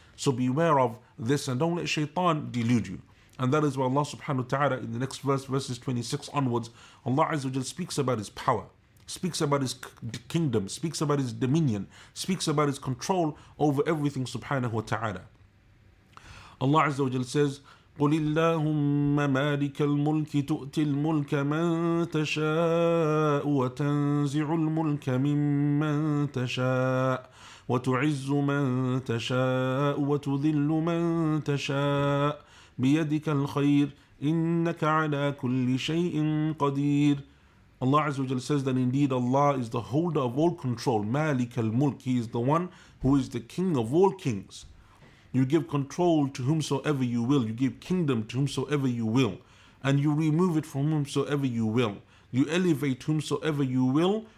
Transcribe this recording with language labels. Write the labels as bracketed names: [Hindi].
[English] So beware of this and don't let shaitan delude you. And that is why Allah subhanahu wa ta'ala in the next verse, verses 26 onwards, Allah Azza wa Jalla speaks about His power, speaks about His kingdom, speaks about His dominion, speaks about His control over everything subhanahu wa ta'ala. Allah Azza wa Jalla says, [Arabic] قُلِ اللَّهُمَّ مَالِكَ الْمُلْكِ تُؤْتِي الْمُلْكَ مَنْ تَشَاءُ وَتَنْزِعُ الْمُلْكَ مِمَّنْ تَشَاءُ وَتُعِزُّ مَنْ تَشَاءُ وَتُذِلُّ مَنْ تَشَاءُ بيدك الخير إنك على كل شيء قدير. [English] Allah Azza wa Jalla says that indeed Allah is the holder of all control. [Arabic] مالك الملك, [English] He is the one who is the king of all kings. You give control to whomsoever you will. You give kingdom to whomsoever you will. And you remove it from whomsoever you will. You elevate whomsoever you will.